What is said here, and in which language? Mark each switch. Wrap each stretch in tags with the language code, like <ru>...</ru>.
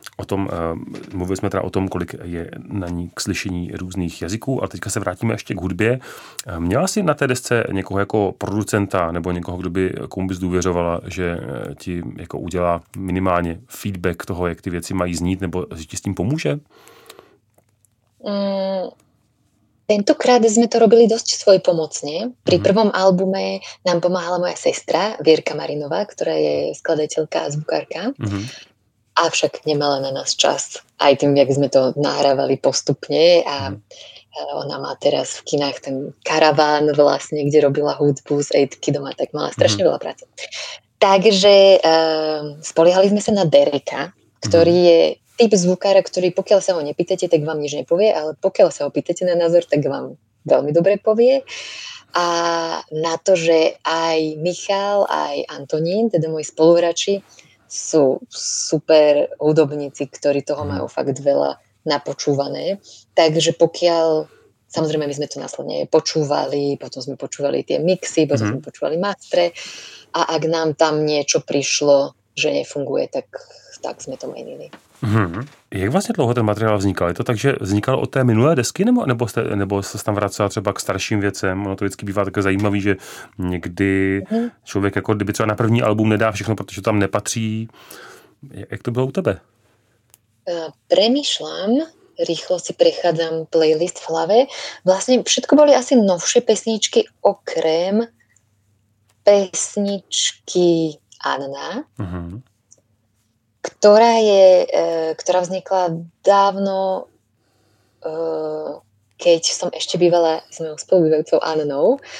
<cs>O tom, mluvili jsme teda o tom, kolik je na ní k slyšení různých jazyků, ale teďka se vrátíme ještě k hudbě. Měla jsi na té desce někoho jako producenta nebo někoho, kdo by komu bys důvěřovala, že ti jako udělá minimálně feedback toho, jak ty věci mají znít, nebo že ti s tím pomůže?</cs> <sk>Tentokrát sme to robili dosť svojpomocne. Pri prvom albume nám pomáhala moja sestra, Vierka Marinová, ktorá je skladateľka a zvukárka. Mm-hmm. Avšak nemala na nás čas. Aj tým, jak sme to nahrávali postupne. A ona má teraz v kinách ten karaván vlastne, kde robila hudbu s Ejtky doma. Tak mala strašne veľa práce. Takže spoliehali sme sa na Dereka, ktorý je typ zvukára, ktorý pokiaľ sa ho nepýtate, tak vám nič nepovie, ale pokiaľ sa ho pýtate na názor, tak vám veľmi dobre povie. A na to, že aj Michal, aj Antonín, teda moji spoluhráči, sú super hudobníci, ktorí toho majú fakt veľa napočúvané. Takže pokiaľ, samozrejme, my sme to následne počúvali, potom sme počúvali tie mixy, potom sme počúvali mastre a ak nám tam niečo prišlo, že nefunguje, tak sme to menili.</sk> <cs>Jak vlastně dlouho ten materiál vznikal? Je to tak, že vznikal od té minulé desky, nebo se tam vracela třeba k starším věcem? Ono to vždycky bývá tak zajímavý, že někdy člověk, jako kdyby třeba na první album nedá všechno, protože tam nepatří. Jak to bylo u tebe?</cs> <sk>Premýšlám, rýchlo si prechádzam playlist v hlave. Vlastně všetko boli asi novšie pesničky, okrem pesničky Anna. Ktorá vznikla dávno, keď som ešte bývala s mojou spolubývajúcou Annou.</sk>